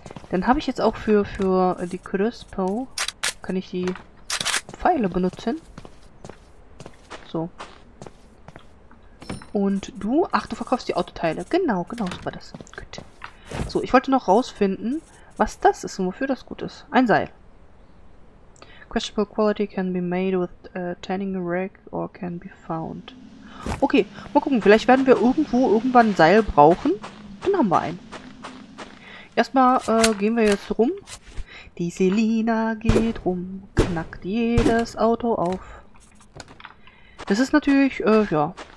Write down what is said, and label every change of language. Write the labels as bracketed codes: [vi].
[de] Dann habe ich jetzt auch für die Crispo, kann ich die Pfeile benutzen. So. Und du, ach, du verkaufst die Autoteile. Genau, genau, so war das. Gut. So, ich wollte noch rausfinden, was das ist und wofür das gut ist. Ein Seil. [en] Questionable quality can be made with a tanning rack or can be found. [de] Okay, mal gucken, vielleicht werden wir irgendwo irgendwann ein Seil brauchen. Dann haben wir einen. Erstmal gehen wir jetzt rum. Die Selina geht rum, knackt jedes Auto auf. Das ist natürlich, ja.